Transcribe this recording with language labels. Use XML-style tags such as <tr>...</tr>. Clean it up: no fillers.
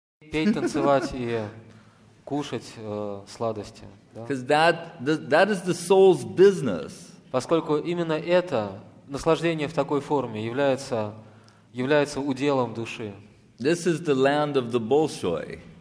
<ru>Петь, танцевать и кушать сладости.</ru> <en>That is the soul's business.</en> <ru>Поскольку именно это наслаждение в такой форме является уделом души.</ru> <en>This is the land of the Bolshoi.</en>